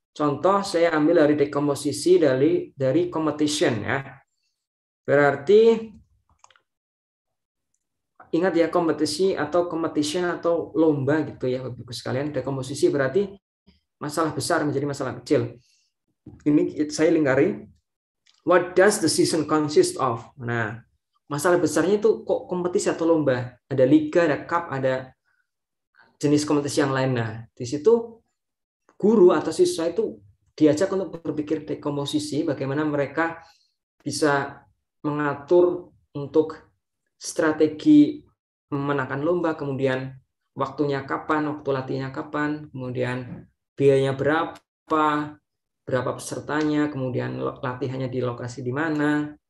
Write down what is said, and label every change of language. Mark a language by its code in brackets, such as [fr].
[id] Contoh saya ambil dari dekomposisi dari competition ya. Berarti ingat ya, competition atau lomba gitu ya bagi sekalian. Dekomposisi berarti masalah besar menjadi masalah kecil. Ini saya lingkari. [en] What does the season consist of? [id] Nah, masalah besarnya itu kok kompetisi atau lomba? Ada liga, ada cup, ada jenis kompetisi yang lain. Nah, di situ guru atau siswa itu diajak untuk berpikir dekomposisi, bagaimana mereka bisa mengatur untuk strategi memenangkan lomba, kemudian waktunya kapan, waktu latihnya kapan, kemudian biayanya berapa, berapa pesertanya, kemudian latihannya di lokasi di mana.